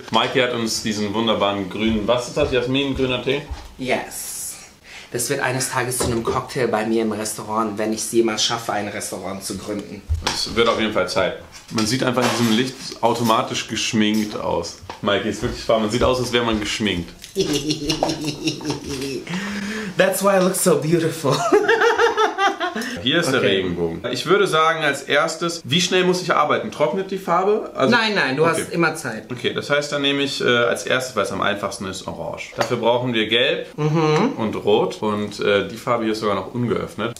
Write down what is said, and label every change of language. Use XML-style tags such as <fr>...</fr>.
<de>Mikey hat uns diesen wunderbaren grünen, was ist das, jasmingrüner Tee?</de> <en>Yes.</en> <de>Das wird eines Tages zu einem Cocktail bei mir im Restaurant, wenn ich es jemals schaffe, ein Restaurant zu gründen. Es wird auf jeden Fall Zeit. Man sieht einfach in diesem Licht automatisch geschminkt aus. Mikey, ist wirklich wahr. Man sieht aus, als wäre man geschminkt.</de> <en>That's why I look so beautiful.</en> <de>Hier ist der Regenbogen. Ich würde sagen, als erstes, wie schnell muss ich arbeiten? Trocknet die Farbe? Also, nein, du hast immer Zeit. Okay, das heißt, dann nehme ich als erstes, weil es am einfachsten ist, Orange. Dafür brauchen wir Gelb und Rot. Und die Farbe hier ist sogar noch ungeöffnet.</de>